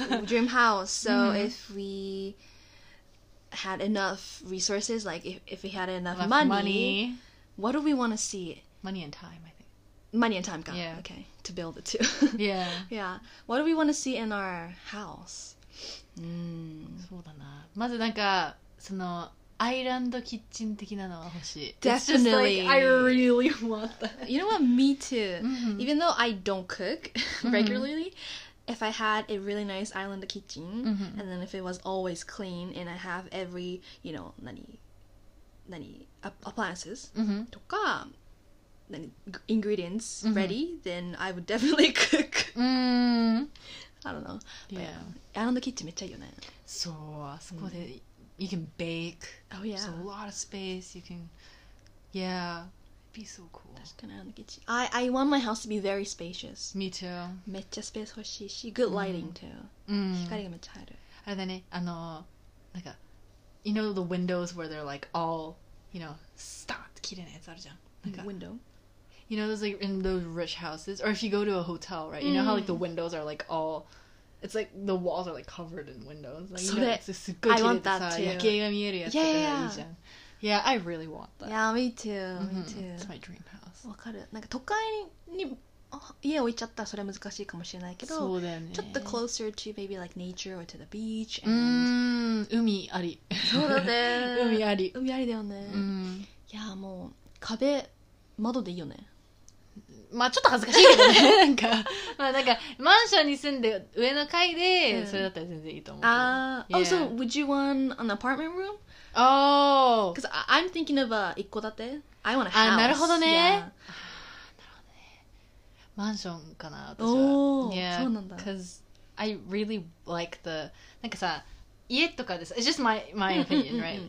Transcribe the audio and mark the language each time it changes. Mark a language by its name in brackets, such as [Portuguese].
[English] Dream house. So,、if we had enough resources, like if we had enough money, what do we want to see? Money and time, I think. Money and time, yeah. Okay, to build it too. Yeah. Yeah. What do we want to see in our house? [Japanese] そうだな。まずなんか、その、アイランドキッチン的なのは欲しい。 [English] Definitely. It's just like, I really want that. You know what? Me too. Mm-hmm. Even though I don't cook regularly, if I had a really nice island kitchen, and then if it was always clean, and I have every, you know, 何 appliances, とか、ingredients ready, then I would definitely cook. I don't know. Yeah. But, island kitchen [Japanese] めっちゃいいよね。そう、そこで、 [English] you can bake. Oh, yeah. There's a lot of space. You can, be so cool. [Japanese] 確かに、 [English] island kitchen. I want my house to be very spacious. Me too. [Japanese] めっちゃスペース欲しいし、 [English] good lighting too. [Japanese] 光がめっちゃ入る。あれだね、あの、なんか、 [English] you know the windows where they're like all, you know, stopped, [Japanese] 綺麗なやつあるじゃん。 [English] Window. You know those like in those rich houses? Or if you go to a hotel, right? You know how like the windows are like all... It's like the walls are like covered in windows. Like, [Japanese] それ! [English] You know, I want that too. [Japanese] 夜景が見えるやつとかがいいじゃん。 [English] Yeah, I really want that. Yeah, me too. Me too. It's my dream house. [Japanese] わかる。なんか都会に家置いちゃったらそれ難しいかもしれないけど、そうだよね。ちょっと [English] closer to maybe like nature or to the beach. [Japanese] And... 海あり。そうだね。海あり。海ありだよね。いやもう壁、窓でいいよね。まあちょっと恥ずかしいけどね。なんか、まあなんか、マンションに住んで上の階で、それだったら全然いいと思う。 [English] Yeah. Oh, so would you want an apartment room? Oh! Because I'm thinking of a 一戸建て。I want a house. [Japanese] あ、なるほどね。 [English] Yeah. [Japanese] なるほどね。マンションかな、私は。 [English] Oh, yeah. [Japanese] そうなんだ。 [English] Because I really like the... [Japanese] なんかさ、家とかでさ、 [English] It's just my opinion, right?